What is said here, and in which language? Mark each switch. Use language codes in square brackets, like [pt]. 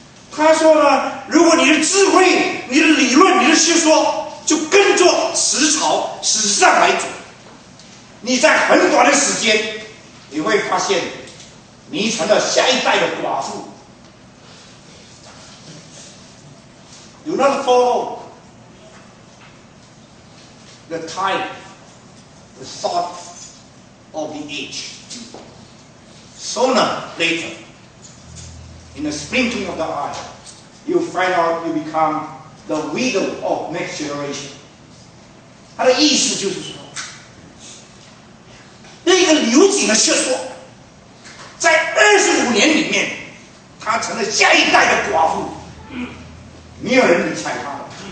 [zh] 他说呢，如果你的智慧、你的理论、你的学说就跟着时潮、时尚来走，你在很短的时间，你会发现你成了下一代的寡妇。 [en] Do not follow the time, the thought of the age. Sooner, later, in the splinting of the eye, you find out you become the widow of next generation. [zh] 他的意思就是说，那个流井的学说，在25年里面，他成了下一代的寡妇。没有人理睬他了。